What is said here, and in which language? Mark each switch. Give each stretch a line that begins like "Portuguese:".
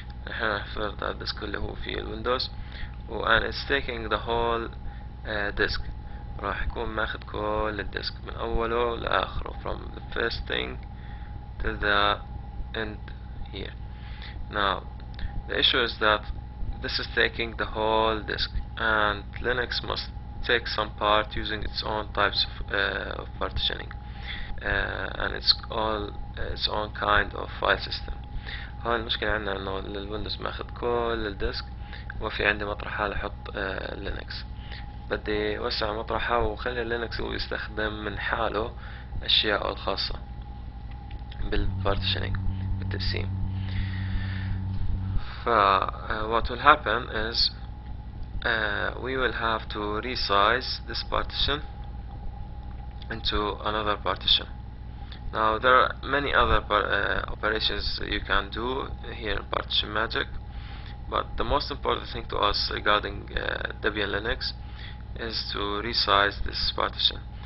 Arabic: نحن نفترض هذا الديسك اللي هو فيه الويندوز,
English: and it's taking the whole disk.
Arabic: راح يكون ماخذ كل الديسك من أوله لآخره,
English: from the first thing to the end here. Now the issue is that this is taking the whole disk, and Linux must take some part using its own types of partitioning and it's all its own kind of file system.
Arabic: هاي المشكلة عندنا انه الويندوز ماخذ كل الديسك, وفي عندي مطرحة لحط لينكس, بدي وسع مطرحة وخلي لينكس هو يستخدم من حاله اشياء الخاصة بالبارتيشنينج بالتقسيم.
English: ف what will happen is we will have to resize this partition into another partition. Now there are many other operations you can do here in Partition Magic, but the most important thing to us regarding Debian Linux is to resize this partition.